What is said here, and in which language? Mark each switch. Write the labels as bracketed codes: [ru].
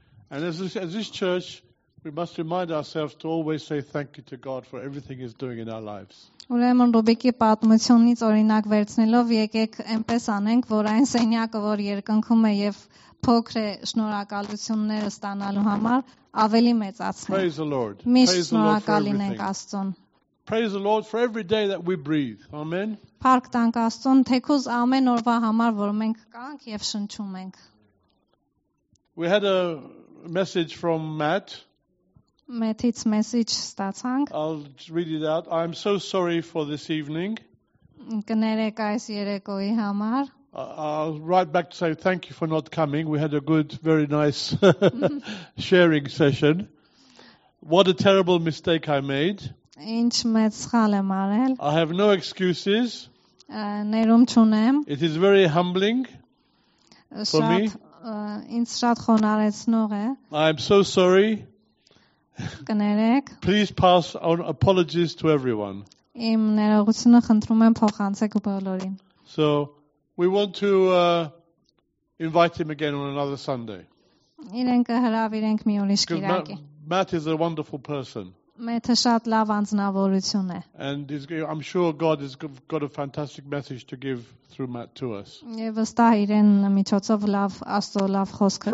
[en] And as this church, we must remind ourselves to always say thank you to God for everything he's doing in our lives. [hy] Ուրեմն Ռուբիկի պատմությունից օրինակ վերցնելով, եկեք այնպես անենք, որ այն սենյակը, որ երկնքում է եւ փոքր է շնորհակալություններ ստանալու համար, ավելի մեծացնի։ [en] Praise the Lord. [hy] Միշտ շնորհակալինենք Աստծուն։ [en] Praise the Lord for every day that we breathe. Amen. [hy] Փառք տանք Աստծուն, թեկուզ ամեն օրվա համար, որ մենք կանք եւ շնչում ենք։ [en] We had a message from Matt. Matt's message [hy] ստացանք. [en] I'll read it out. I'm so sorry for this evening. [hy] Կներեք այս երեկոյի համար. [en] I'll write back to say thank you for not coming. We had a good, very nice sharing session. What a terrible mistake I made. [hy] Ինչ մեծ սխալ եմ արել. [en] I have no excuses. [hy] Ներում չունեմ. [en] It is very humbling for me. [hy] ինձ շատ խոնարհեցնող է. [en] I'm so sorry. [hy] Կներեք. [en] Please pass on apologies to everyone. [hy] Իմ ներողությունը խնդրում եմ փոխանցեք բոլորին. [en] So we want to invite him again on another Sunday. [hy] Իրենք հրավիրենք մի ուրիշ կիրակի. [en] Matt is a wonderful person. [hy] Մեթը շատ լավ անձնավորություն է. [en] And I'm sure God has got a fantastic message to give through Matt to us. [hy] Եվ վստահ իրեն միջոցով լավ աստծո լավ խոսքը